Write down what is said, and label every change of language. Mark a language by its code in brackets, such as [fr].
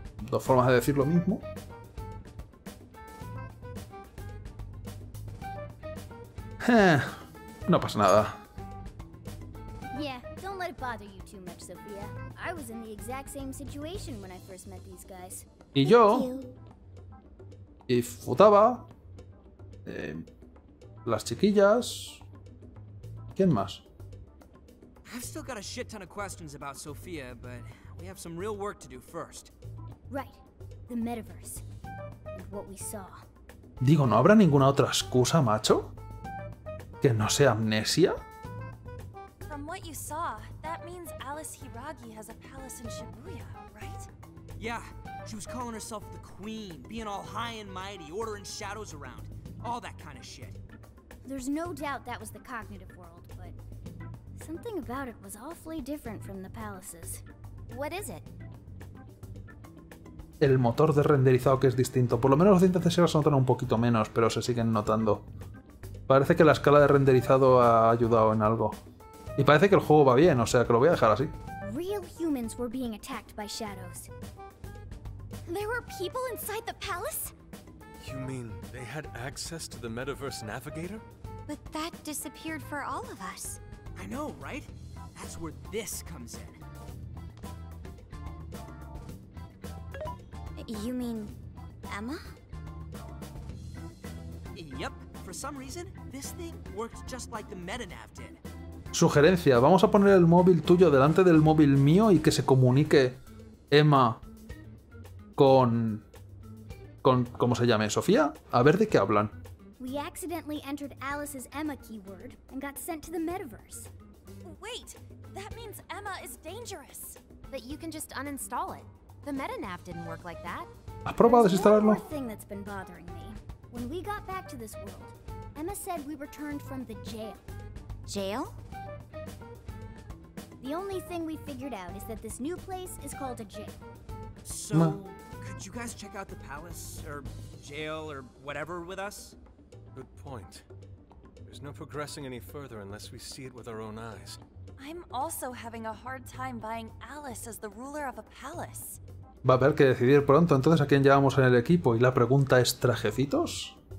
[es] Dos formas de decir lo mismo. No pasa nada. [en] Yeah, don't let it bother you too much, Sophia. I was in the exact same situation when I first met these guys. [es] Y yo, y Futaba, las chiquillas, ¿quién más? [en] I've still got a shit ton of questions about Sophia, but we have some real work to do first. Right, the metaverse, and what we saw. [es] Digo, ¿no habrá ninguna otra excusa, macho? ¿Que no sea amnesia? [en] From what you saw, that means Alice Hiragi has a palace in Shibuya, right? Yeah, she was calling herself the queen, being all high and mighty, ordering shadows around, all that kind of shit. There's no doubt that was the cognitive world, but something about it was awfully different from the palaces. What is it? [es] El motor de renderizado que es distinto. Por lo menos los dientes de sierra se notan un poquito menos, pero se siguen notando. Parece que la escala de renderizado ha ayudado en algo. Y parece que el juego va bien, o sea que lo voy a dejar así. [en] Real humans were being attacked by shadows. There were people inside the palace? You mean they had access to the metaverse navigator? But that disappeared for all of us. I know, right? That's where this comes in. You mean Emma? Yep. For some reason, this thing worked just like the MetaNav did. [es] Sugerencia, vamos a poner el móvil tuyo delante del móvil mío y que se comunique Emma con con, ¿cómo se llame? ¿Sofía? A ver de qué hablan. [en] We accidentally entered Alice's Emma keyword and got sent to the metaverse. Wait, that means Emma is dangerous. But you can just uninstall it. The metanav didn't work like that. [es] ¿Has probado desinstalarlo? [en] There's one thing that's been bothering me. When we got back to this world, Emma said we returned from the jail. Jail? The only thing we figured out is that this new place is called a jail. So, could you guys check out the palace or jail or whatever with us? Good point. There's no progressing any further unless we see it with our own eyes. I'm also having a hard time buying Alice as the ruler of a palace. [es] Va a haber que decidir pronto entonces a quién llevamos en el equipo. Y la pregunta es, ¿trajecitos?